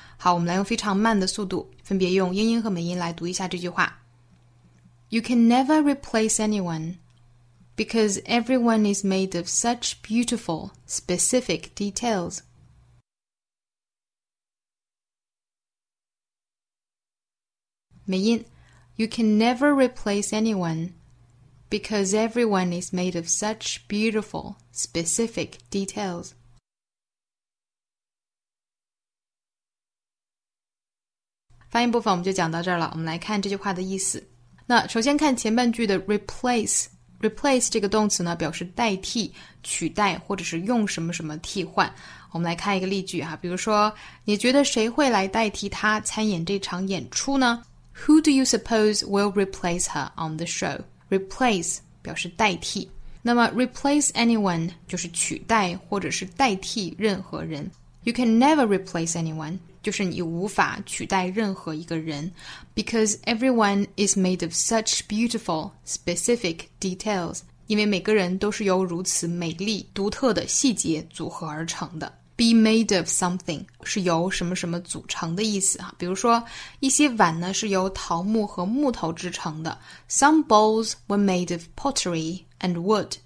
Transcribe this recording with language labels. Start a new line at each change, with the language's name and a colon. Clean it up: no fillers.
Chinese: 好，我们来用非常慢的速度分别用英音和美音来读一下这句话。
English: You can never replace anyone because everyone is made of such beautiful specific details. 美音，You can never replace anyone because everyone is made of such beautiful, specific details.
Chinese: 发音部分我们就讲到这儿了，我们来看这句话的意思。那首先看前半句的 replace 这个动词呢，表示代替、取代或者是用什么什么替换。我们来看一个例句啊，比如说，你觉得谁会来代替他参演这场演出呢？
English: Who do you suppose will replace her on the show?
Chinese: Replace 表示代替。那么 replace anyone 就是取代或者是代替任何人。
English: You can never replace anyone
Chinese: 就是你无法取代任何一个人。
English: Because everyone is made of such beautiful, specific details.
Chinese: 因为每个人都是由如此美丽、独特的细节组合而成的。
English: Be made of something
Chinese: 是由什么什么组成的意思啊？比如说一些碗呢是由桃木和木头制成的。
English: Some bowls were made of pottery and wood.